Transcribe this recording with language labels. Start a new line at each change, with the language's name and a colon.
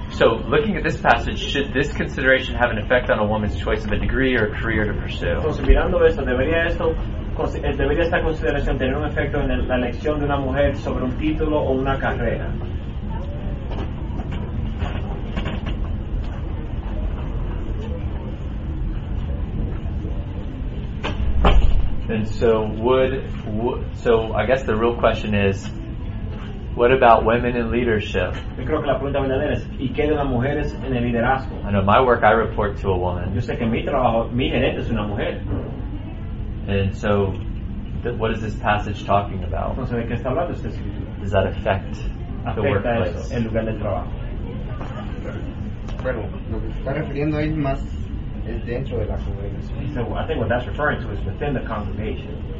English: So, looking at this passage, should this consideration have an effect on a woman's choice of a degree or a career to pursue?
Spanish: ¿Debería esta consideración tener un efecto en la elección de una mujer sobre un título o una carrera?
English: And so so I guess the real question is, what about women in leadership?
Spanish: Yo creo que la pregunta verdadera es, ¿y qué de las mujeres en el liderazgo?
English: I know my work, I report to a woman.
Spanish: Yo sé que mi trabajo, mi gerente es una mujer.
English: And so, what is this passage talking about?
Spanish: Entonces, ¿de qué está hablando esta escritura?
English: Does that affect the workplace?
Spanish: Afecta eso, el lugar de trabajo. Bueno, lo que se está refiriendo ahí más. Dentro de la congregación.
English: So, well, I think what that's referring to is within the congregation.